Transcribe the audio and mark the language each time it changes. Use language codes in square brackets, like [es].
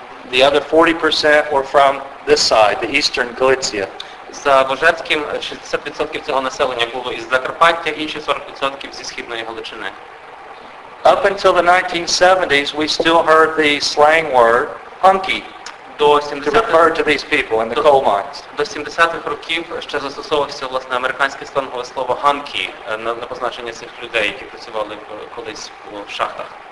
[en] the other 40% were from this side, the eastern Galicia. [uk] За Бужецьким 60% цього населення було із Закарпаття, інші 40% зі Східної Галичини. [en] Up until the 1970s, we still heard the slang word "hunky" to refer to these people in the coal mines. [uk] До 70-х років ще застосовувалося власне американське слангове слово "hunky" на позначення цих людей, які працювали колись у шахтах.